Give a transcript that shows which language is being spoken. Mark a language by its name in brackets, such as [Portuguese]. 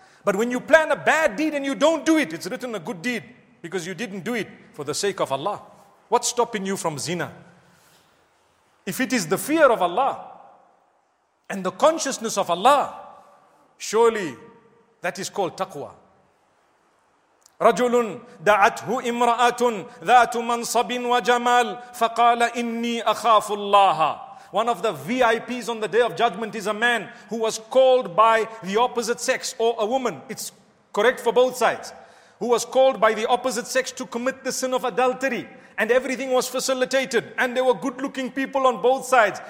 [English] But when you plan a bad deed and you don't do it, it's written a good deed because you didn't do it for the sake of Allah. What's stopping you from zina? If it is the fear of Allah and the consciousness of Allah, surely that is called taqwa. [Arabic] رجل دعته امرأة ذات منصب وجمال فقال إني أخاف الله. [English] One of the VIPs on the day of judgment is a man who was called by the opposite sex, or a woman. It's correct for both sides. Who was called by the opposite sex to commit the sin of adultery. And everything was facilitated. And there were good-looking people on both sides.